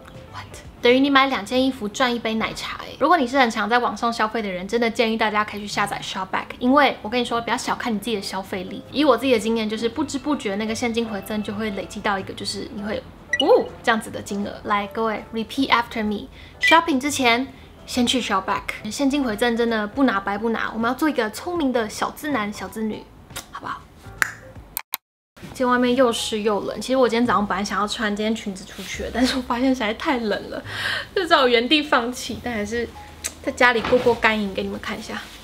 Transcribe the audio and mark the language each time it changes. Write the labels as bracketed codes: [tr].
[en] What？ [zh] 等于你买2件衣服赚1杯奶茶。如果你是很常在网上消费的人，真的建议大家可以去下载 Shopback， 因为我跟你说，不要小看你自己的消费力。以我自己的经验，就是不知不觉那个现金回赠就会累积到一个，就是你会哦这样子的金额。来，各位 [en] repeat after me， [zh] shopping 之前。先去 Shopback， 现金回赠真的不拿白不拿，我们要做一个聪明的小资男小资女，好不好？今天外面又湿又冷，其实我今天早上本来想要穿今天裙子出去的，但是我发现实在太冷了，就只好原地放弃，但还是在家里过过干瘾给你们看一下。